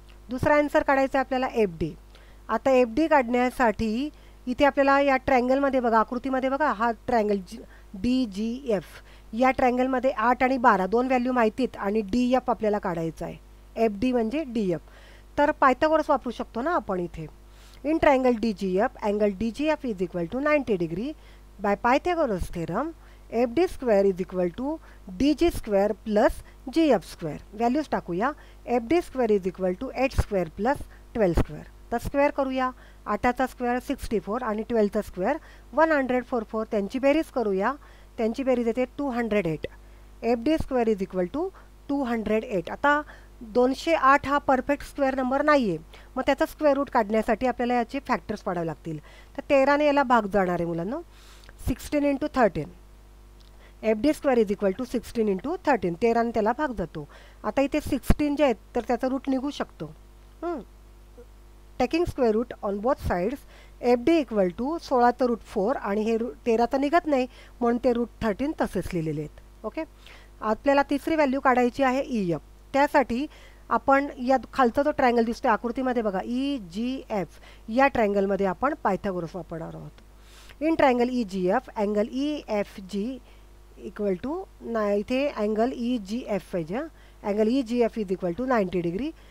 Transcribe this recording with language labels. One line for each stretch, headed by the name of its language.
Marathi: दुसरा आन्सर काढायचा आहे आपल्याला एफ डी. आता एफ डी काढण्यासाठी इथे आपल्याला या ट्रँगलमध्ये बघा, आकृतीमध्ये बघा, हा ट्रँगल डी जी एफ, या ट्रँगलमध्ये 8 आणि 12 दोन व्हॅल्यू माहिती आहेत आणि डी एफ आपल्याला काढायचा आहे. एफ डी म्हणजे डी एफ. तर पायथागोरस वापरू शकतो ना आपण इथे.
English: In triangle D G F, angle D G F is equal to 90 degree, by Pythagoras theorem F D square is equal to D G square plus G F square. Values
Marathi: टाकूया,
English: F D square is equal to 8 square plus 12 square.
Marathi: तर square करूया, 8चा square 64 आणि 12चा square 144, त्यांची बेरीज करूया, त्यांची बेरीज येते 208.
English: F D square is equal to 208.
Marathi: आता 208 हा परफेक्ट स्क्वेअर नंबर नाही आहे, मग त्याचा स्क्वेअर रूट काढण्यासाठी आपल्याला याचे फॅक्टर्स पाडावे लागतील. तर 13 याला भाग जाणार आहे मुलांना, 16 into 13.
English: F D square is equal to 16 into 13,
Marathi: 13 त्याला भाग जातो. आता इथे 16 जे आहेत तर त्याचा रूट निघू शकतो.
English: taking square root on both sides F D equal to 16 root 4,
Marathi: आणि हे 13 तर निघत नाही म्हणून ते रूट 13 तसेच लिहिलेले आहेत. ओके, आपल्याला तिसरी व्हॅल्यू काढायची आहे ई एफ. त्यासाठी आपण या खालचा जो ट्रँगल दिसतो आकृतीमध्ये बघा, ई जी एफ, या ट्रँगलमध्ये आपण पायथागोरस वापरणार आहोत.
English: in triangle E G F, angle E F G equal to
Marathi: ना, इथे
English: Angle E G F पाहिजे, angle E G F is equal to 90 degree.